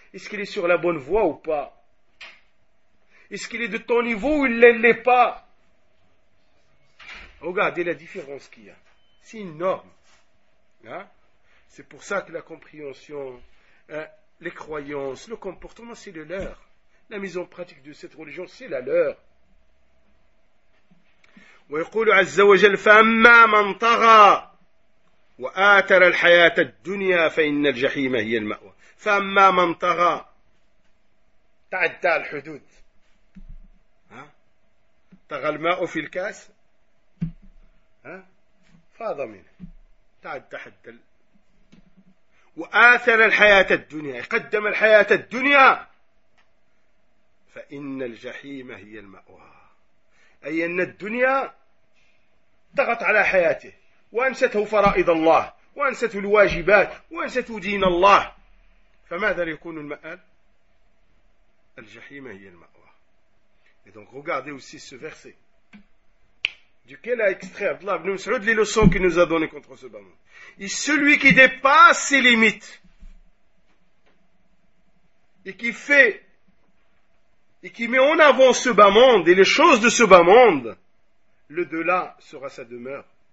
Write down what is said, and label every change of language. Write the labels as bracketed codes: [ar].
[fr] Est-ce qu'il est sur la bonne voie ou pas? Est-ce qu'il est de ton niveau ou il ne l'est pas? Regardez la différence qu'il y a. C'est énorme. Hein? C'est pour ça que la compréhension, les croyances, le comportement, c'est le leur. La mise en pratique de cette religion, c'est la leur. [ar] ويقول عز وجل فأما من طغى وآثر الحياة الدنيا فإن الجحيم هي المأوى. فأما من طغى تعدى الحدود. طغى الماء في الكاس فاض منه تعدى حد. وآثر الحياة الدنيا قدم الحياة الدنيا فإن الجحيم هي المأوى. أي أن الدنيا طغت على حياته وأنسته فرائض الله وأنسته الواجبات وأنسته دين الله، فماذا يكون المآل؟ الجحيم هي المأوى. [fr] Et donc regardez aussi ce verset duquel a extrait Abdullah ibn Mas'ud les leçons qu'il nous a données contre ce bas monde. Et celui qui dépasse ses limites et qui met en avant ce bas monde et les choses de ce bas monde, le-delà sera sa demeure.